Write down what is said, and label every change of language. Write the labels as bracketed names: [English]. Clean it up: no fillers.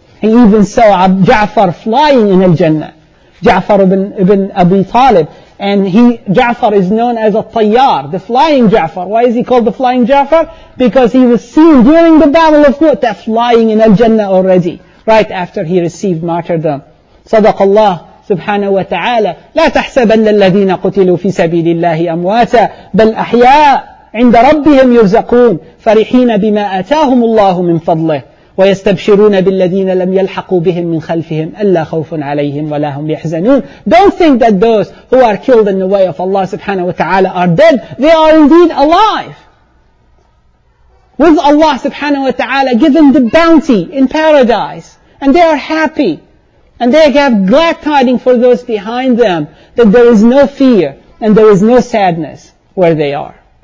[English] He even saw Ja'far flying in al-Jannah. Ja'far ibn Abi Talib. And Ja'far is known as At-Tayyar, the flying Ja'far. Why is he called the flying Ja'far? Because he was seen during the Battle of Mu'tah flying in Al-Jannah already, right after he received martyrdom. [Arabic] صدق الله سبحانه وتعالى لا تحسبن الذين قتلوا في سبيل الله أمواتا بل أحياء عند ربهم يرزقون فرحين بما آتاهم الله من فضله ويستبشرون بالذين لم يلحقوا بهم من خلفهم ألا خوف عليهم ولا هم يحزنون. [English] Don't think that those who are killed in the way of Allah subhanahu wa ta'ala are dead. They are indeed alive. With Allah subhanahu wa ta'ala, given the bounty in paradise. And they are happy. And they have glad tidings for those behind them that there is no fear and there is no sadness where they are.